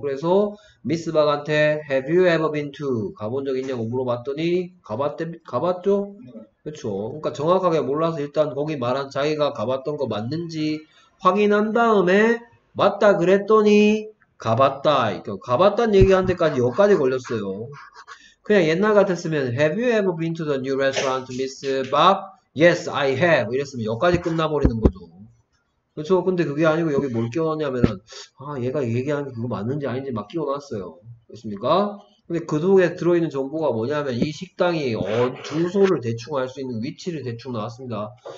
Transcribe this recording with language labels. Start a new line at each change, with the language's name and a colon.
Korean: 그래서 미스 박한테
English: Have you ever been to?
Korean: 가본 적 있냐고 물어봤더니 가봤죠? 그렇죠. 그러니까 정확하게 몰라서 일단 거기 말한 자기가 가봤던 거 맞는지 확인한 다음에 맞다 그랬더니 가봤다. 가봤단 얘기하는 데까지 여기까지 걸렸어요. 그냥 옛날 같았으면
English: Have you ever been to the new restaurant, Miss Bob? Yes, I have.
Korean: 이랬으면 여기까지 끝나버리는 거죠. 그렇죠? 근데 그게 아니고 여기 뭘 끼워놨냐면은 아, 얘가 얘기하는 게 그거 맞는지 아닌지 막 끼워놨어요. 그렇습니까? 근데 그 속에 들어있는 정보가 뭐냐면 이 식당이 주소를 대충 알수 있는 위치를 대충 나왔습니다.